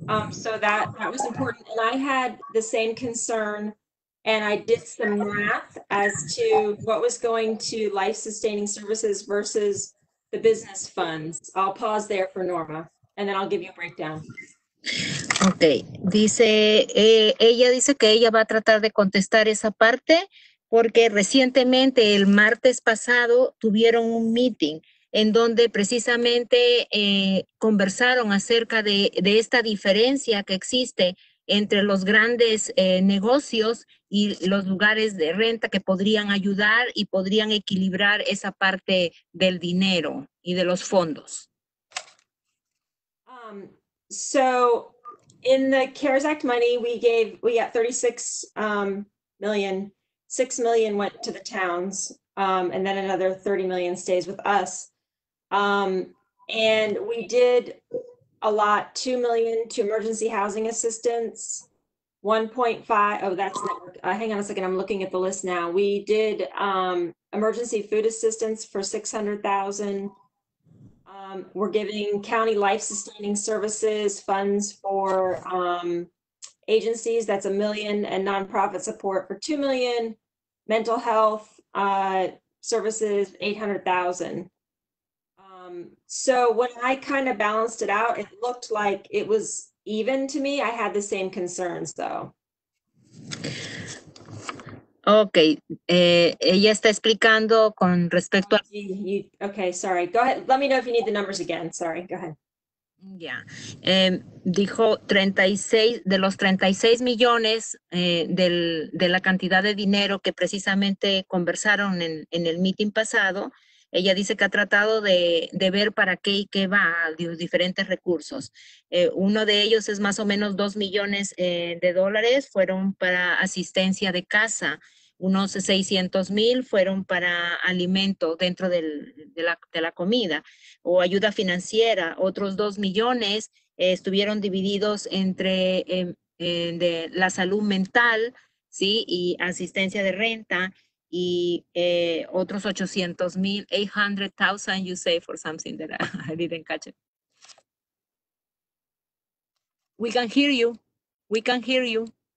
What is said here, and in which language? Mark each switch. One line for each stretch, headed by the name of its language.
English: So that was important. And I had the same concern, and I did some math as to what was going to life-sustaining services versus the business funds. I'll pause there for Norma, and then I'll give you a breakdown. Okay.
Spanish: Dice, ella dice que ella va a tratar de contestar esa parte, porque recientemente, el martes pasado, tuvieron un meeting en donde precisamente conversaron acerca de esta diferencia que existe entre los grandes negocios y los lugares de renta que podrían ayudar y podrían equilibrar esa parte del dinero y de los fondos.
English: So in the CARES Act money, we got 36 million. 6 million went to the towns, and then another 30 million stays with us. And we did allot 2 million to emergency housing assistance, 1.5. Oh, that's not, hang on a second. I'm looking at the list now. We did emergency food assistance for 600,000. We're giving county life sustaining services funds for agencies. That's 1 million, and nonprofit support for 2 million. Mental health services, 800,000. So when I kind of balanced it out, it looked like it was even to me. I had the same concerns though.
Spanish: Okay, ella está explicando con respecto a...
English: Okay, sorry, go ahead. Let me know if you need the numbers again. Sorry, go ahead.
Spanish: Yeah, dijo 36, de los 36 millones de la cantidad de dinero que precisamente conversaron en el meeting pasado, ella dice que ha tratado de ver para qué y qué va, de los diferentes recursos. Uno de ellos es más o menos 2 millones de dólares, fueron para asistencia de casa. Unos 600 mil fueron para alimento dentro de la comida o ayuda financiera. Otros 2 millones estuvieron divididos entre de la salud mental, ¿sí? Y asistencia de renta. Y otros 800 mil,
English: 800,000, you say, for something that I didn't catch it. We can hear you. We can hear you.